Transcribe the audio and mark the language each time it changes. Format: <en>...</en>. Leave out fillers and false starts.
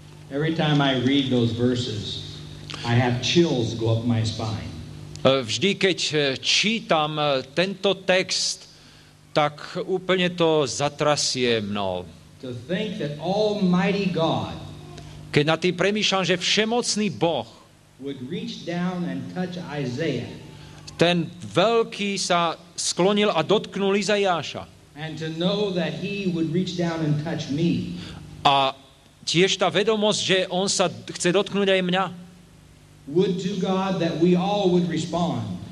<en>Every time I read those verses, I have chills go up my spine.</en> <sk>Vždy keď čítam tento text, tak úplne to zatrasie mnou.</sk> <en>To think that Almighty God,</en> <sk>keď nad tým premýšľam, že všemocný Boh</sk> <en>would reach down and touch Isaiah,</en> <sk>ten veľký sa sklonil a dotknul Izajáša.</sk> <en>And to know that he would reach down and touch me.</en> <sk>A tiež tá vedomosť, že on sa chce dotknúť aj mňa.</sk> <en>Would to God that we all would respond.</en>